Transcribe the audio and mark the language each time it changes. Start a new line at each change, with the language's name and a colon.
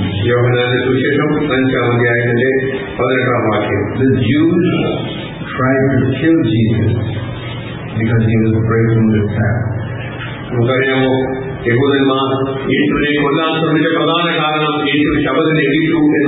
Malayalam: യോഹന്നാന്റെ സുവിശേഷം 5-ാം അധ്യായത്തിന്റെ 18-ാം വാക്യം.
English: The Jews tried to kill Jesus because he was breaking the Sabbath.
Malayalam: നമുക്കറിയാമോ, യഹൂദന്മാർ യേശുവിനെ കൊല്ലാൻ ശ്രമിച്ച പ്രധാന കാരണം യേശു ശബ്ബത്തിൽ ലംഘിച്ചു